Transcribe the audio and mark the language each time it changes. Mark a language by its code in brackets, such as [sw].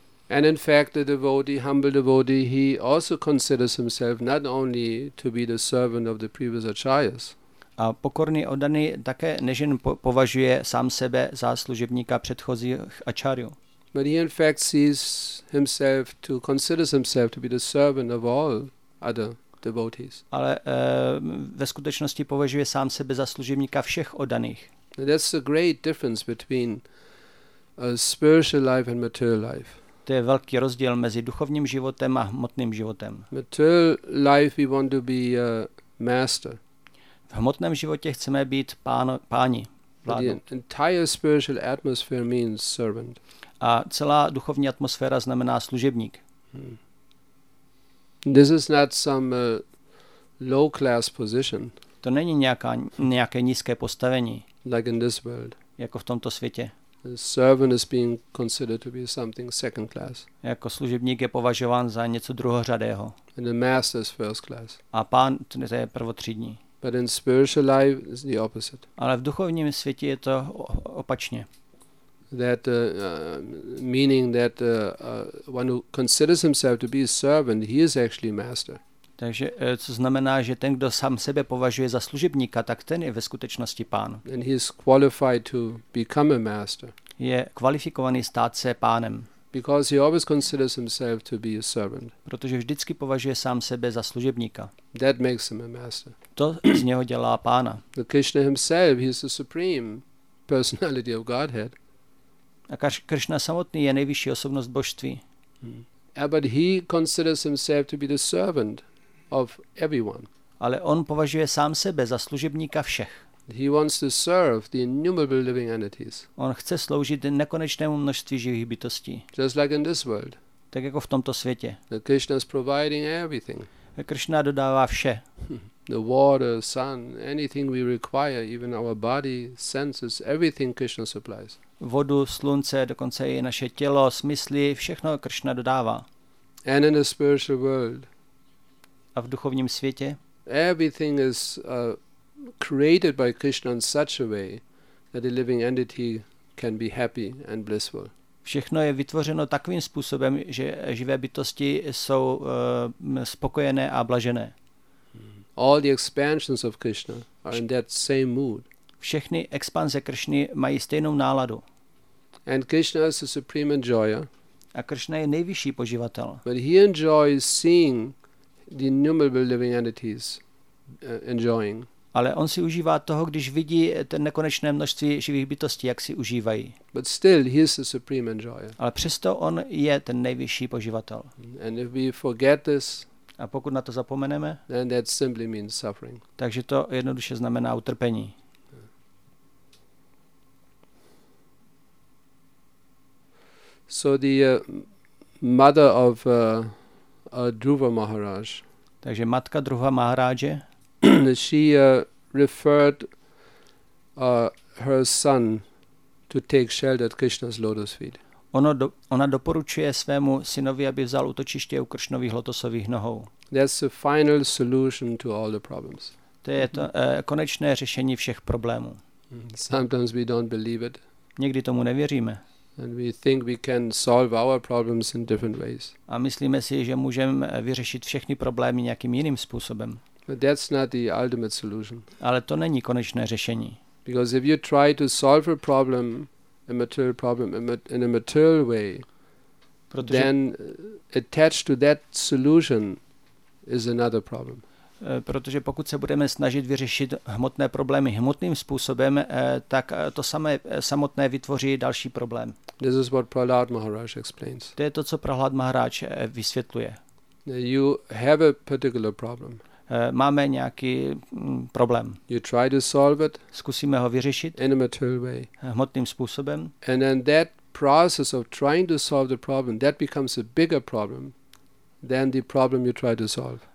[en] And in fact, the devotee, humble devotee, he also considers himself not only to be the servant of the previous acharyas. [cs] A pokorný oddaný také nejen považuje sám sebe za služebníka předchozích acharyů. [en] But he in fact sees himself to consider himself to be the servant of all other. Devotees. [cs] Ale ve skutečnosti považuje sám sebe za služebníka všech oddaných. [en] That's a great difference between a spiritual life and material life. [cs] To je velký rozdíl mezi duchovním životem a hmotným životem. [en] Material life we want to be a master. [cs] V hmotném životě chceme být páni, vládou. [en] The entire spiritual atmosphere means servant. [cs] A celá duchovní atmosféra znamená služebník. [en] This is not some low class position. [cs] To není nějaké nízké postavení. [en] Like in this world. [cs] Jako v tomto světě. [en] A servant is being considered to be something second class. [cs] Jako služebník je považován za něco druhořadého. [en] And the master is first class. [cs] A pán to je prvotřídní. [en] But in spiritual life is the opposite. [cs] Ale v duchovním světě je to opačně. [en] That meaning that one who considers himself to be a servant, he is actually master. [cs] Takže co znamená, že ten, kdo sám sebe považuje za služebníka, tak ten je ve skutečnosti pán. [en] And he is qualified to become a master. [cs] Je kvalifikovaný stát se pánem. [en] Because he always considers himself to be a servant. [cs] Protože vždycky považuje sám sebe za služebníka. [en] That makes him a master. [cs] To z něho dělá pána. [en] The Krishna himself, he is the supreme personality of Godhead. [cs] A Krishna samotný je nejvyšší osobnost božství. [en] But he considers himself to be the servant of everyone. [cs] Ale on považuje sám sebe za služebníka všech. [en] He wants to serve the innumerable living entities. [cs] On chce sloužit nekonečnému množství živých bytostí. [en] Just like in this world. [cs] Tak jako v tomto světě. [en] The Krishna is providing everything. [cs] Krishna dodává vše. [en] The water, sun, anything we require, even our body, senses, everything Krishna supplies. [cs] Vodu, slunce, dokonce i naše tělo, smysly, všechno Krishna dodává. [en] And in the spiritual world. [cs] A v duchovním světě. [en] Everything is created by Krishna in such a way that a living entity can be happy and blissful. [cs] Všechno je vytvořeno takovým způsobem, že živé bytosti jsou spokojené a blažené. [en] All the expansions of Krishna are in that same mood. [cs] Všechny expanze Krishny mají stejnou náladu. [en] And Krishna is the supreme enjoyer. [cs] A Krishna je nejvyšší poživatel. [en] But he enjoys seeing the innumerable living entities enjoying. [cs] Ale on si užívá toho, když vidí ten nekonečné množství živých bytostí, jak si užívají. [en] But still he is the supreme enjoyer. [cs] Ale přesto on je ten nejvyšší poživatel. [en] And if we forget this, [cs] a pokud na to zapomeneme, [en] then that simply means suffering. [cs] Takže to jednoduše znamená utrpení. [en] So the mother of Dhruva Maharaj. [cs] Takže matka Dhruva Maharaje. [en] She referred her son to take shelter at Krishna's lotus feet. [cs] Ona doporučuje svému synovi, aby vzal útočiště u Kršnových lotosových nohou. [en] That's the final solution to all the problems. [cs] To je to konečné řešení všech problémů. [en] Sometimes we don't believe it. [cs] Někdy tomu nevěříme. [en] And we think we can solve our problems in different ways. [cs] A myslíme si, že můžeme vyřešit všechny problémy nějakým jiným způsobem. [en] But that's not the ultimate solution. [cs] Ale to není konečné řešení. [en] Because if you try to solve a problem, a material problem, in a material way, [cs] protože [en] then attached to that solution is another problem. [cs] Protože pokud se budeme snažit vyřešit hmotné problémy hmotným způsobem, tak to samotné vytvoří další problém. [en] This is what Prahlad Maharaj explains. [cs] To je to, co Prahlad Maharaj vysvětluje. [en] You have a particular problem. [cs] Máme nějaký problém. [en] You try to solve it. [cs] Zkusíme ho vyřešit. [en] In a material way. [cs] Hmotným způsobem. [en] And then that process of trying to solve the problem, that becomes a bigger problem than the problem you try to solve.